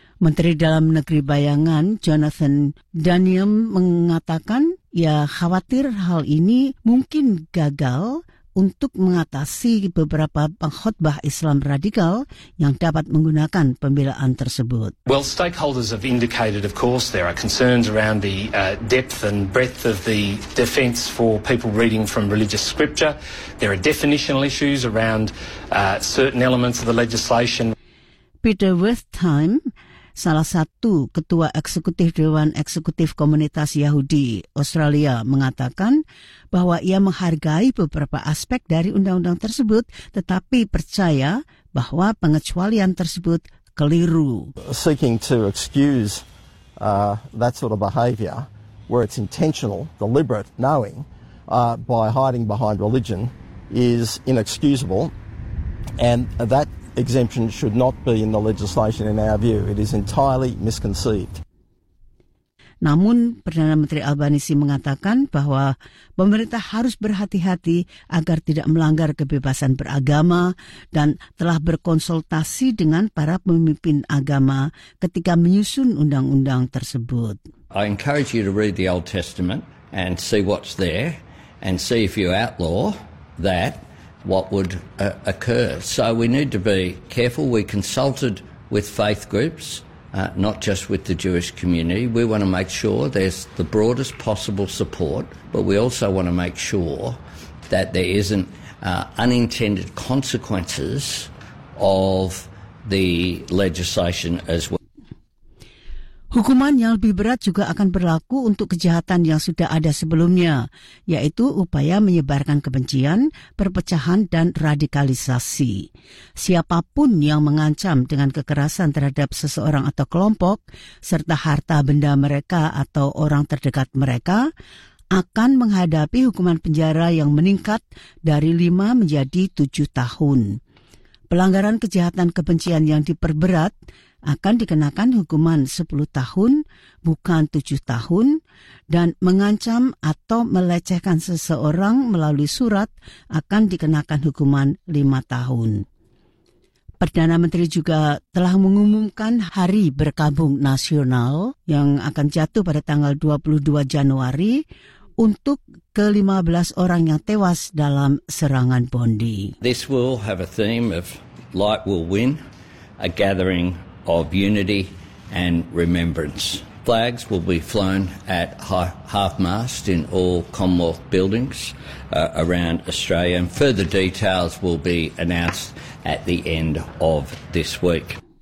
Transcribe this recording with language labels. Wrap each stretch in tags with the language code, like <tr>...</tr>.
<id>Menteri Dalam Negeri Bayangan Jonathan Daniel mengatakan ia khawatir hal ini mungkin gagal untuk mengatasi beberapa pengkhotbah Islam radikal yang dapat menggunakan pembelaan tersebut.</id> <en>Well, stakeholders have indicated, of course, there are concerns around the depth and breadth of the defense for people reading from religious scripture. There are definitional issues around certain elements of the legislation.</en> <id>Peter Wertheim, salah satu ketua eksekutif Dewan Eksekutif Komunitas Yahudi Australia, mengatakan bahwa ia menghargai beberapa aspek dari undang-undang tersebut, tetapi percaya bahwa pengecualian tersebut keliru.</id> <en>Seeking to excuse that sort of behavior, where it's intentional, deliberate, knowing, by hiding behind religion, is inexcusable, and that exemption should not be in the legislation in our view. It is entirely misconceived.</en> <id>Namun, Perdana Menteri Albanese mengatakan bahwa pemerintah harus berhati-hati agar tidak melanggar kebebasan beragama dan telah berkonsultasi dengan para pemimpin agama ketika menyusun undang-undang tersebut.</id> <en>I encourage you to read the Old Testament and see what's there and see if you outlaw that. What would occur? So we need to be careful. We consulted with faith groups, not just with the Jewish community. We want to make sure there's the broadest possible support, but we also want to make sure that there isn't unintended consequences of the legislation as well.</en> <id>Hukuman yang lebih berat juga akan berlaku untuk kejahatan yang sudah ada sebelumnya, yaitu upaya menyebarkan kebencian, perpecahan, dan radikalisasi. Siapapun yang mengancam dengan kekerasan terhadap seseorang atau kelompok, serta harta benda mereka atau orang terdekat mereka, akan menghadapi hukuman penjara yang meningkat dari 5 menjadi 7 tahun. Pelanggaran kejahatan kebencian yang diperberat akan dikenakan hukuman 10 tahun, bukan 7 tahun, dan mengancam atau melecehkan seseorang melalui surat akan dikenakan hukuman 5 tahun. Perdana Menteri juga telah mengumumkan Hari Berkabung Nasional yang akan jatuh pada tanggal 22 Januari untuk ke-15 orang yang tewas dalam serangan Bondi.</id> <en>This will have a theme of light will win, a gathering of unity and remembrance. Flags will be flown at half-mast in all Commonwealth buildings around Australia, and further details will be announced at the end of this week.</en>